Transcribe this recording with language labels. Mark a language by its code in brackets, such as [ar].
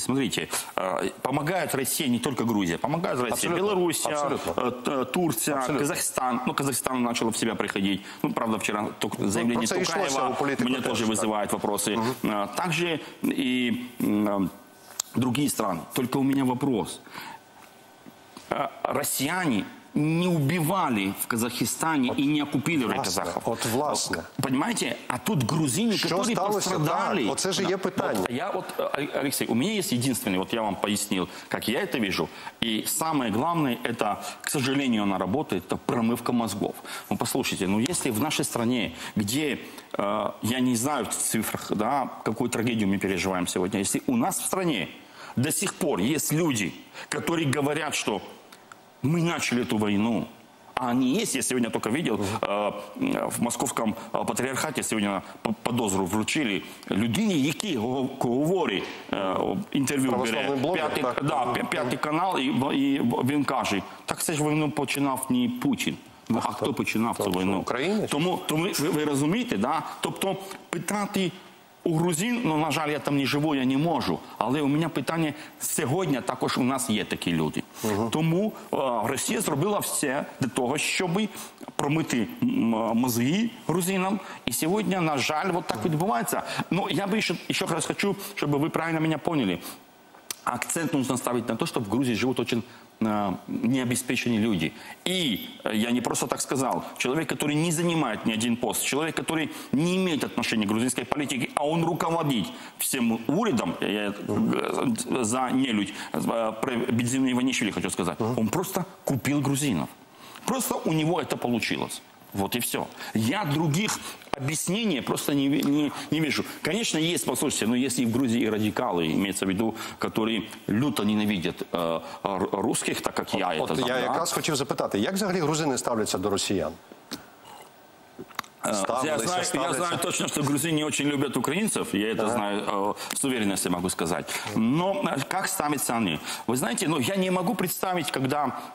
[ru] Смотрите, [uk] допомагає Росія не тільки Грузія, допомагає Росія Білорусія, Турція, Казахстан. [ru] Ну, Казахстан [uk] почав [ru] в себя приходить. Ну, правда, вчера заявление Тукаева мне тоже вызывает вопросы. Также и другие страны. Только у меня вопрос. Россияне не убивали в Казахстане и не окупили казахов. [uk] От власне. [ru] Понимаете? А тут грузины, которые пострадали. Вот это же есть питание. Алексей, у меня есть единственный, вот я вам пояснил, как я это вижу. И самое главное, это, к сожалению, она работает, это промывка мозгов. Ну, послушайте, ну, если в нашей стране, где, я не знаю в цифрах, да, какую трагедию мы переживаем сегодня, если у нас в стране до сих пор есть люди, которые говорят, что мы начали эту войну, а они есть, я сегодня только видел, в московском патриархате сегодня [uk] подозру вручили людине, який [ru] говорит, интервью берет, пятый канал, и он говорит, так, кстати, войну [uk] починав [ru] не Путин. [uk] Ну, а хто починав цю війну? Україна? Тому ви розумієте, да? Тобто питати у грузин, ну, на жаль, я там не живу, я не можу. Але у мене питання, сьогодні також у нас є такі люди. Угу. Тому Росія зробила все для того, щоб промити мозги грузинам. І сьогодні, на жаль, от так відбувається. Ну, я би ще раз хочу, щоб ви правильно мене поняли. [ru] Акцент нужно ставить на то, что в Грузии живут очень необеспечені люди. [uk] І я не просто так сказав, чоловік, який не займає ні один пост, чоловік, який не має відношення до грузинської політики, а він руководить всім урядом, я за нелюдь, про Бідзину Іванішвілі хочу сказати, він просто купив грузинів. Просто у нього це вийшло. [ru] Вот и все. Я других объяснений просто не вижу. Конечно, есть, послушайте, но если в Грузии радикалы, имеется в виду, которые люто ненавидят русских, так как я это знаю. Я как раз хочу [uk] запитати, як взагалі грузини ставляться до росіян? [ru] Я знаю точно, что грузины очень любят украинцев, я это знаю с уверенностью могу сказать. Но как ставятся они? Вы знаете, ну, я не могу представить, когда...